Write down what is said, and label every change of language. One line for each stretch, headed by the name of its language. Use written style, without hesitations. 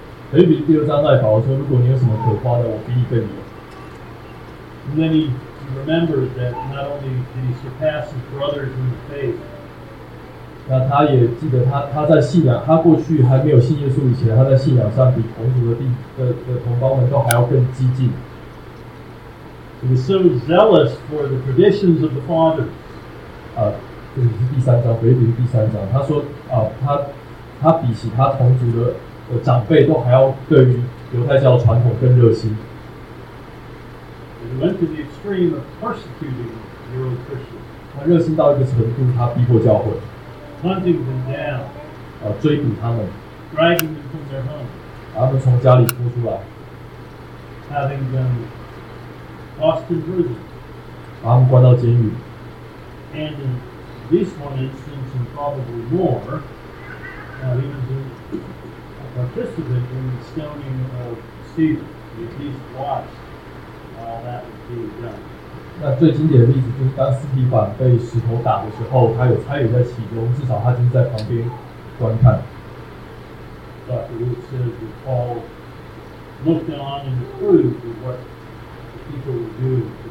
Chinese: 腓立比第二章那里保罗说，如果你有什么可夸的，我必定更有。
English: Then he remembers that not only did he surpass his brothers in the faith.
Chinese: 那他也记得他在信仰，他过去还没有信耶稣以前，他在信仰上比同族的同胞们都还要更激进。
English: He was so zealous for the traditions of the fathers.
Chinese: 这里是第三章，腓立比第三章。他说，他比起他同族的长辈都还要对于犹太教传统更热心。
English: He went to the extreme of persecuting the early Christians.
Chinese: 他热心到一个程度，他逼迫教会。
English: hunting them down,
Chinese: 追捕他们
English: driving them from their home,
Chinese: 把他们从家里拖出来
English: having them tossed in prison,
Chinese: 把他们关到监狱
English: and in this one instance and probably more, he was a participant in the stoning of Stephen, at least watched while that was being done.
Chinese: 那最经典的例子就是当斯提凡被石头打的时候，他有参与在其中，至少他就是在旁边观看。
English: But the Luke says that Paul looked on and approved of what the people were doing.